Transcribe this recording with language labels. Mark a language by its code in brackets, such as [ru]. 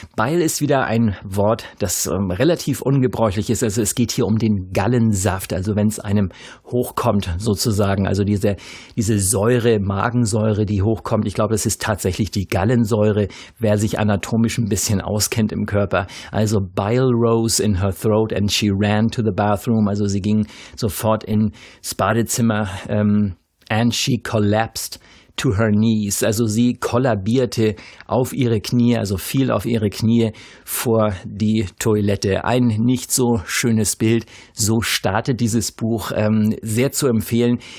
[de] Bile ist wieder ein Wort, das relativ ungebräuchlich ist. Also es geht hier um den Gallensaft, also wenn es einem hochkommt sozusagen. Also diese Säure, Magensäure, die hochkommt. Ich glaube, das ist tatsächlich die Gallensäure, wer sich anatomisch ein bisschen auskennt im Körper. [en] Also bile rose in her throat and she ran to the bathroom. [de] Also sie ging sofort ins Badezimmer [en] and she collapsed to her knees, [de] also sie kollabierte auf ihre Knie, also fiel auf ihre Knie vor die Toilette. Ein nicht so schönes Bild, so startet dieses Buch, sehr zu empfehlen.